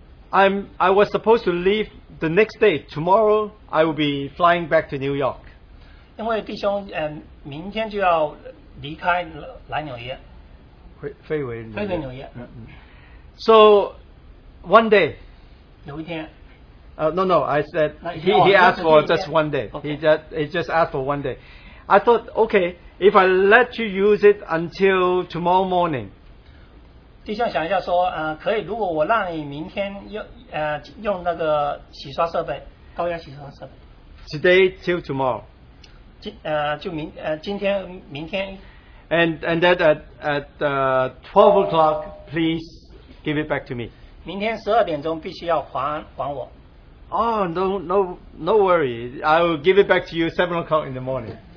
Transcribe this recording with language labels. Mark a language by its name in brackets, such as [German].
[English] I was supposed to leave the next day. Tomorrow, I will be flying back to New York. [Chinese] 因为弟兄明天就要离开来纽约。飞回纽约。 [English] So, one day. [Chinese] 有一天。 [English] I said, he asked for just one day. Okay. He just asked for one day. I thought, okay, if I let you use it until tomorrow morning. [Chinese] 弟兄想一下说，可以，如果我让你明天用那个洗刷设备，高压洗刷设备。 [English] Today till tomorrow. [Chinese] 今天。 [English] And that at 12 o'clock, please give it back to me. [Chinese] 明天12点钟必须要还我。 [English] Oh, no worry. I will give it back to you 7 o'clock in the morning.